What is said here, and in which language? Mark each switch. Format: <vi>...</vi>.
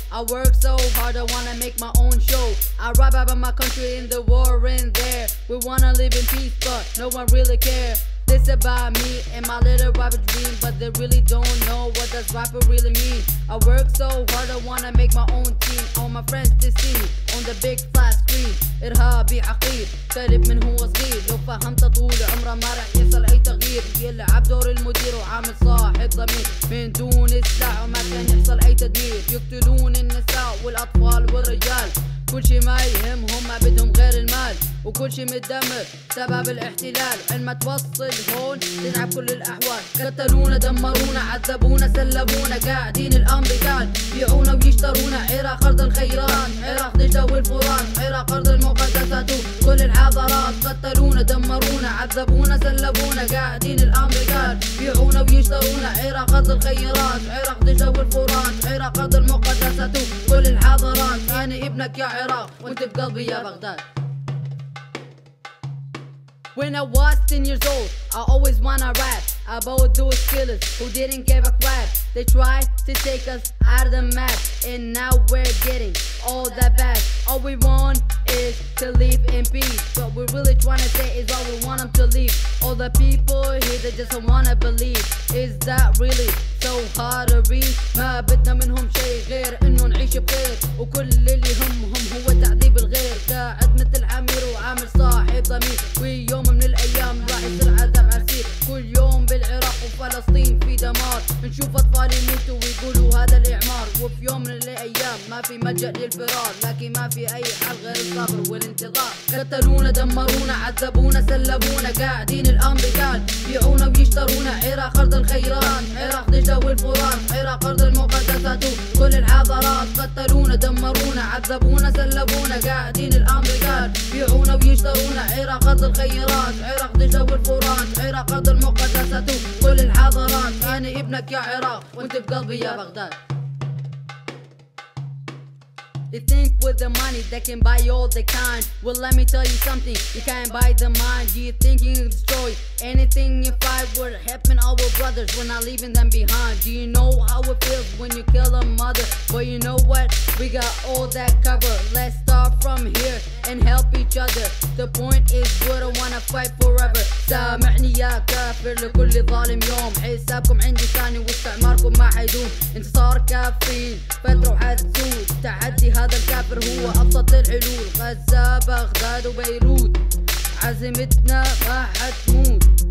<en>I work so hard, I wanna make my own show. I rap about my country in the war in there. We wanna live in peace, but no one really care. This about me and my little rapper dream, but they really don't know what does rapper really mean. I work so hard, I wanna make my own team. All my friends to see me on the big flat screen.</en> <ar>إرهابي عقيد قريب من هو صغير لو فهمت طول عمره ما رح يصل أي تغيير يلعب دور المدير وعامل صاحب ضمير من دون السلاح وما كان يحصل أي تدمير يقتلون النساء والأطفال والرجال كل شي ما يهمهم ما بدهم غير المال وكل شي متدمر سبب الاحتلال عندما توصل هون تنعب كل الأحوال قتلونا دمرونا عذبونا سلبونا قاعدين الأمريكان بيعونا ويشترونا عراق أرض الخيران عراق دجلة والفران عراق أرض المقدسات وكل الحضارات قتلونا دمرونا عذبونا سلبونا قاعدين الأمريكان بيعونا ويشترونا عراق أرض الخيران عراق دجلة والفران عراق أرض المقدسات وكل الحضارات أنا ابنك يا عراق وانت بقلبي يا بغداد.</ar> <en>When I was 10 years old, I always wanna rap about those killers who didn't give a crap. They tried to take us out of the map, and now we're getting all that back. All we want is to live in peace, but we really tryna say is all we want them to leave. All the people here that just don't wanna believe, is that really so hard to reach?</en> <ar>ما بدنا منهم شيء غير إنه نعيش بخير وكل اللي همهم هو تعذيب الغير. قاعد مثل عمير وعامل صاحب ضمير ويوم من الأيام راح يصير عذاب عسير. كل يوم بالعراق وفلسطين في دمار نشوف أطفال يموتوا ويقولوا هذا الإعمار وفي يوم من الأيام ما في ملجأ للفرار لكن ما في أي حل غير الصبر والانتظار. قتلونا دمرونا عذبونا سلبونا قاعدين الأمريكان بيعونا ويشترونا عراق أرض الخيران عراق دجلة والفران عراق أرض المقدسات وكل الحضارات. قتلونا دمرونا عذبونا سلبونا قاعدين الأمريكان بيعونا ويشترونا عراق أرض الخيران عراق دجلة والفران عراق أرض المقدسات وكل الحضارات. أنا ابنك يا عراق وانت بقلبي يا بغداد.</ar> <en>You think with the money they can buy all they can. Well, let me tell you something, you can't buy the mind. You think you can destroy anything you fight. We're helping our brothers, we're not leaving them behind. Do you know how it feels when you kill a mother? But you know what? We got all that cover. Let's start from here and help each other. The point is we don't wanna fight forever.</en> <ar>سامعني يا كافر لكل ظالم يوم حسابكم عندي ثاني واستعماركم ما حيدوم. انتصار كافرين فترة وحتزول تعدي هذا الكافر هو أبسط الحلول. غزة بغداد وبيروت عزيمتنا ما حتموت.</ar>